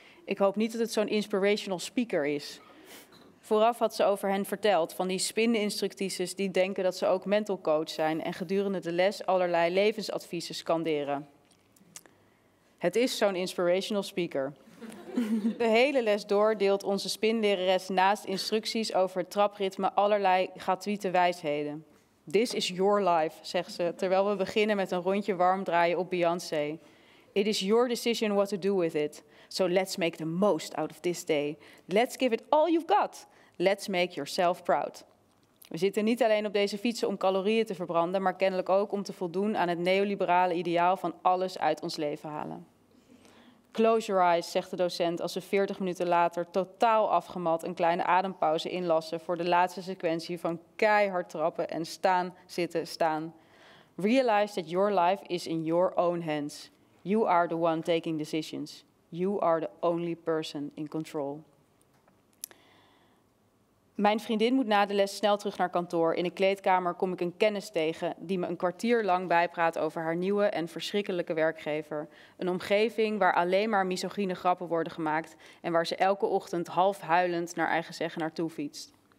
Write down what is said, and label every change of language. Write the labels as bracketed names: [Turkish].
[Dutch] Ik hoop niet dat het zo'n inspirational speaker is. Vooraf had ze over hen verteld, van die spin-instructrices die denken dat ze ook mental coach zijn en gedurende de les allerlei levensadviezen scanderen. Het is zo'n inspirational speaker. De hele les door deelt onze spinlerares naast instructies over het trapritme allerlei gratuite wijsheden. [English] This is your life, [Dutch] zegt ze, terwijl we beginnen met een rondje warm draaien op Beyoncé. [English] It is your decision what to do with it. So let's make the most out of this day. Let's give it all you've got. Let's make yourself proud. [Dutch] We zitten niet alleen op deze fietsen om calorieën te verbranden, maar kennelijk ook om te voldoen aan het neoliberale ideaal van alles uit ons leven halen. [English] Close your eyes, [Dutch] zegt de docent als ze 40 minuten later totaal afgemat een kleine adempauze inlassen voor de laatste sequentie van keihard trappen en staan, zitten, staan. [English] Realize that your life is in your own hands. You are the one taking decisions. You are the only person in control. [Dutch] Mijn vriendin moet na de les snel terug naar kantoor. In de kleedkamer kom ik een kennis tegen die me een kwartier lang bijpraat over haar nieuwe en verschrikkelijke werkgever. Een omgeving waar alleen maar misogyne grappen worden gemaakt en waar ze elke ochtend half huilend naar eigen zeggen naartoe fietst.